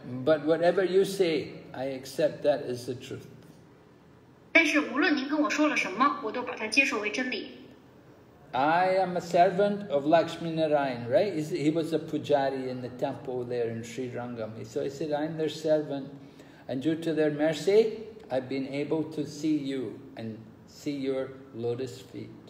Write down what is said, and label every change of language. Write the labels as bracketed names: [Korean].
[English] But whatever you say, I accept that as the truth. [Chinese] 但是无论您跟我说了什么，我都把它接受为真理。 [English] I am a servant of Lakshmi Narayan, right? He was a pujari in the temple there in Sri Rangam. So he said, I'm their servant, and due to their mercy, I've been able to see you and see your lotus feet.